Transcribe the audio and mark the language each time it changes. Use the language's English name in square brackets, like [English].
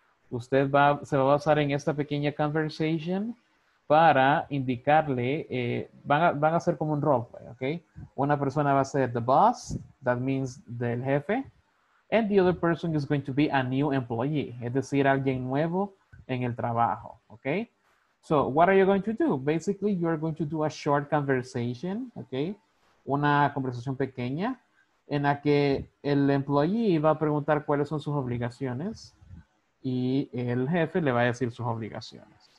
[Spanish] Usted va, se va a basar en esta pequeña conversation para indicarle, van a hacer como un roleplay, okay? Una persona va a ser [English] the boss, that means [Spanish] del jefe. [English] And the other person is going to be a new employee. [Spanish] Es decir, alguien nuevo en el trabajo. [English] Okay? So, what are you going to do? Basically, you are going to do a short conversation. Okay? [Spanish] Una conversación pequeña en la que el employee va a preguntar cuáles son sus obligaciones y el jefe le va a decir sus obligaciones.